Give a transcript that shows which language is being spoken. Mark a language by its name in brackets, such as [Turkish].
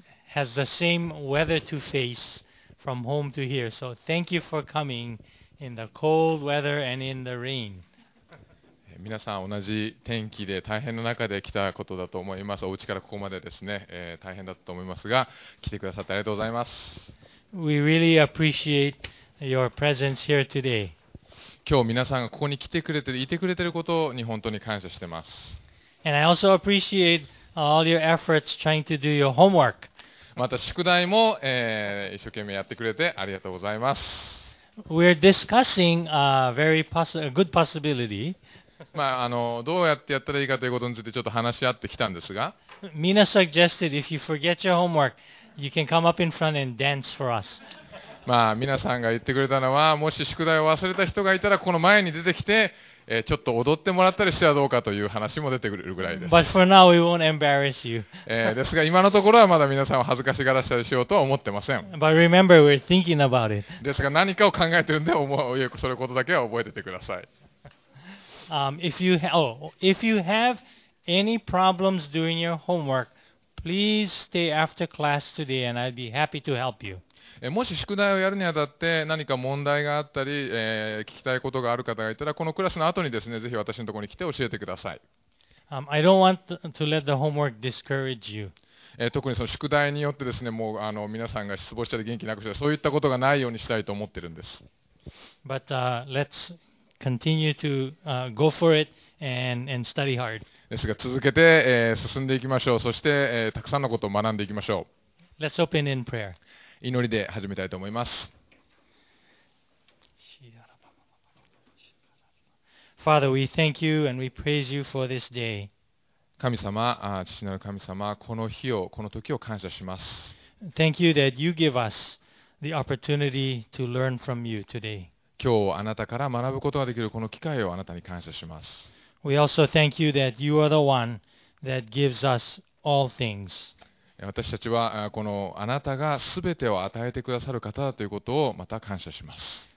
[English] has the same weather to face from home to here. So thank you for coming in the cold weather and in the rain. [Japanese] 皆さん同じ天気で大変な中で来たことだと思います。お家からここまでですね、大変だったと思いますが、来てくださってありがとうございます。 [English] We really appreciate your presence here today. [Japanese] 今日皆さんがここに来てくれて、いてくれてることに本当に感謝してます。 [English] And I also appreciate all your efforts trying to do your homework. [Japanese] また宿題も、一生懸命やってくれてありがとうございます。 [English] We're discussing a very good possibility. [Japanese] まあ、どうやってやったらいいかということについてちょっと話し合ってきたんですが。 [English] Mina suggested if you forget your homework,You can come up in front and dance for us. [Japanese] まあ皆さんが言ってくれたのは、もし宿題を忘れた人がいたらこの前に出てきて、ちょっと踊ってもらったりしてはどうかという話も出てくるぐらいです。 [English] But for now, we won't embarrass you. [Japanese] ですが今のところはまだ皆さんを恥ずかしがらせたりしようとは思ってません。 [English] But remember, we're thinking about it. [Japanese] ですが何かを考えているんで、それことだけは覚えててください。 [English] If you have any problems doing your homework,Please stay after class today and I'd be happy to help you. [Japanese] もし宿題をやるにあたって何か問題があったり、聞きたいことがある方がいたらこのクラスの後にですね、ぜひ私のところに来て教えてください。 [English] I don't want to let the homework discourage you. [Japanese] 特にその宿題によってですね、もう皆さんが失望したり元気なくしたり、そういったことがないようにしたいと思ってるんです。 [English] But let's continue to go for it and study hard. [Japanese] ですが続けて、進んでいきましょう。そして、たくさんのことを学んでいきましょう。 [English] Let's open in prayer. [Japanese] 祈りで始めたいと思います。 [English] Father, we thank you and we praise you for this day. [Japanese] 神様、父なる神様、この日を、この時を感謝します。 [English] Thank you that you give us the opportunity to learn from you today. [Japanese] 今日、あなたから学ぶことができるこの機会をあなたに感謝します。 [English] We also thank you that you are the one that gives us all things. [Japanese] 私たちはこのあなたがすべてを与えてくださる方だということをまた感謝します。